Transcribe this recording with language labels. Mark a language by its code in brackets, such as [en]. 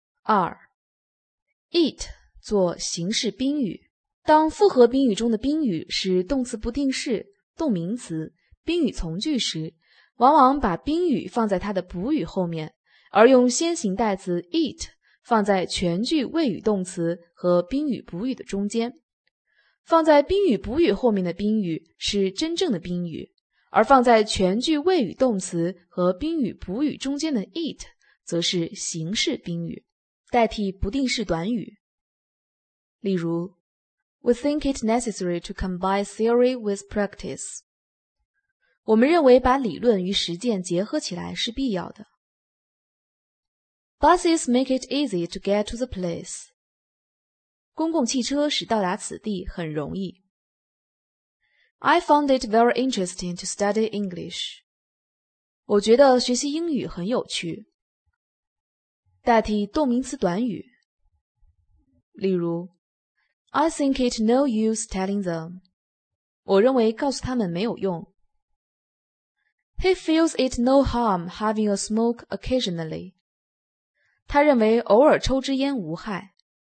[zh] 二 ，it 做形式宾语，当复合宾语中的宾语是动词不定式、动名词、宾语从句时，往往把宾语放在它的补语后面，而用先行代词 it 放在全句谓语动词和宾语补语的中间。放在宾语补语后面的宾语是真正的宾语，而放在全句谓语动词和宾语补语中间的 it 则是形式宾语，代替不定式短语。例如 [en] We think it necessary to combine theory with practice. [zh] 我们认为把理论与实践结合起来是必要的。 [en] Buses make it easy to get to the place. [zh] 公共汽车使到达此地很容易。 [en] I found it very interesting to study English. [zh] 我觉得学习英语很有趣。代替动名词短语，例如 [en] I think it no use telling them. [zh] 我认为告诉他们没有用。 [en] He feels it no harm having a smoke occasionally. [zh] 他认为偶尔抽支烟无害。